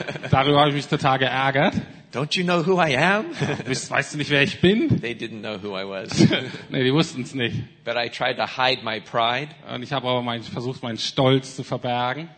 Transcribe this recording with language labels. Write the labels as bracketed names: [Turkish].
[German] Darüber habe ich mich total geärgert. [English] Don't you know who I am? [German] Weißt du nicht, wer ich bin? [English] They didn't know who I was. [German] Nee, die wussten's nicht. [English] But I tried to hide my pride. [German] Und ich habe aber versucht, meinen Stolz zu verbergen.